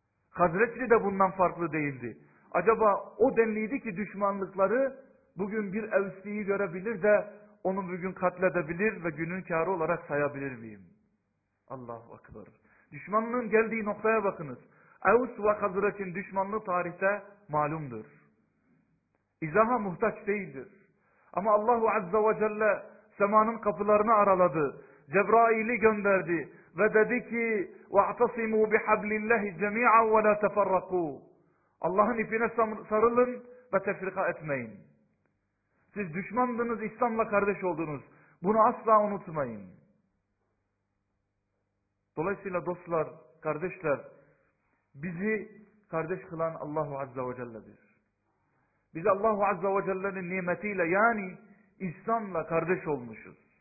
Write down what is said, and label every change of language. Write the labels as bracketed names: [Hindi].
[Turkish] Hazretli de bundan farklı değildi. Acaba o denliydi ki düşmanlıkları, bugün bir Evsli'yi görebilir de onu bugün katledebilir ve günün kârı olarak sayabilir miyim? Allahu Ekber. Düşmanlığın geldiği noktaya bakınız. Evs ve Hazreç'in düşmanlığı tarihte malumdur. İzaha muhtaç değildir. Ama Allahu Azze ve Celle semanın kapılarını araladı. Cebrail'i gönderdi. Ve dedi ki [Arabic] وَاَعْتَصِمُوا بِحَبْلِ اللّٰهِ جَمِيعًا وَلَا تَفَرَّقُوا. [Turkish] Allah'ın ipine sarılın ve tefrika etmeyin. Siz düşmandınız, İslam'la kardeş oldunuz. Bunu asla unutmayın. Dolayısıyla dostlar, kardeşler, bizi kardeş kılan Allahu Azza ve Celle'dir. Biz Allahu Azza ve Celle'nin nimetiyle yani İslam'la kardeş olmuşuz.